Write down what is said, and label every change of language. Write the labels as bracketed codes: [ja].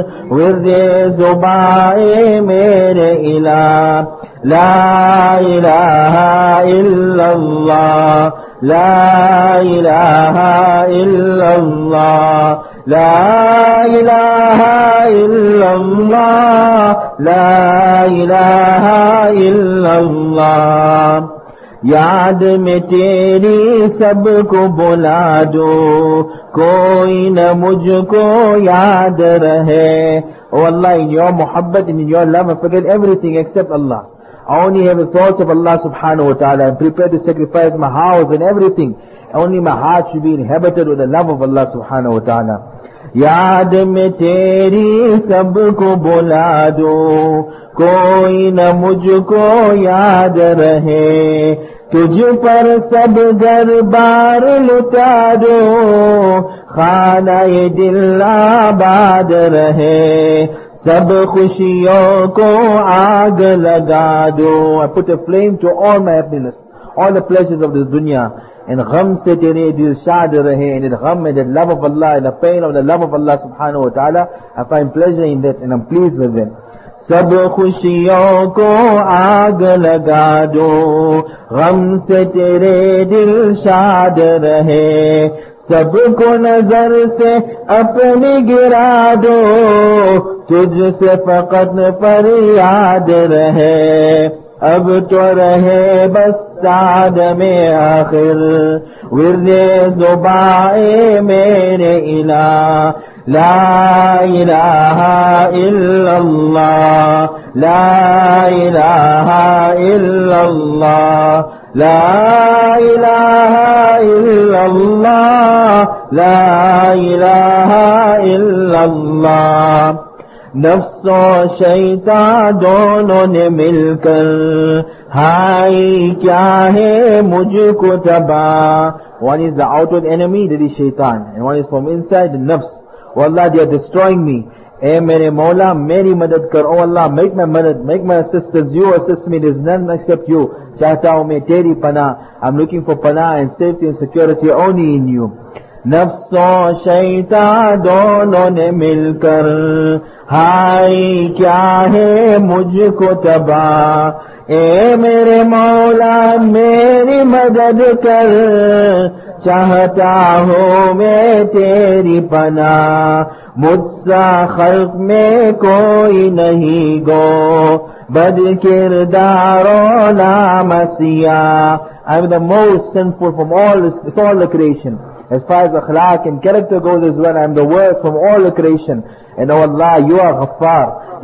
[ur] ورد زبائے میرے الہ [ar] لا الہ الا اللہ لا الہ الا اللہ لا الہ الا اللہ لا الہ الا اللہ [ur] یاد میں تیری سب کو بلا دو کوئی نہ مجھ کو یاد رہے [en] Oh Allah, in your محبت and in your love, I forget everything except Allah. I only have the thoughts of Allah subhanahu wa ta'ala. I'm prepared to sacrifice my house and everything. Only my heart should be inhabited with the love of Allah subhanahu wa ta'ala. [ur] یاد میں تیری سب کو بلا دو کوئی نہ مجھ کو یاد رہے تجھ پر سب دربار لٹا دو خانہ دل آباد رہے سب خوشیوں کو آگ لگا دو [en] I put a flame to all my happiness, all the pleasures of this dunya. And [ur] gham se tere dil shad rahe, [en] and in gham and the love of Allah, and the pain of the love of Allah subhanahu wa ta'ala, I find pleasure in that and I'm pleased with it. [ur] سب خوشیوں کو آگ لگا دو غم سے تیرے دل شاد رہے سب کو نظر سے اپنی گرا دو تجھ سے فقط فریاد رہے اب تو رہے بس ساد میں آخر ورد زبائے میرے الہ [ar] لا الہ الا اللہ لا الہ الا اللہ لا الہ الا اللہ لا الہ الا اللہ [ur] نفس و شیطان دونوں نے مل کر ہائی کیا ہے مجھ کو تباہ [en] One is the outward enemy, that is shaitan. And one is from inside, the nafs. Oh Allah, they are destroying me. Eh, [ur] mere maula, meri madad kar. [en] Oh Allah, make my madad, make my assistance. You assist me, there is none except you. [ur] Chahta hu main teri pana. [en] I'm looking for pana and safety and security only in you. [ur] نفس و شیطان دونوں نے مل کر high کیا ہے مجھ کو تباہ اے میرے مولا میری مدد کر چاہتا ہوں میں تیری پناہ مجھ سا خلق میں کوئی نہیں گو بد کردار و نامسیح [en] I'm the most sinful from all the creation. As far as akhlaq and character goes as well, I am the worst from all the creation. And oh Allah, you are ghaffar.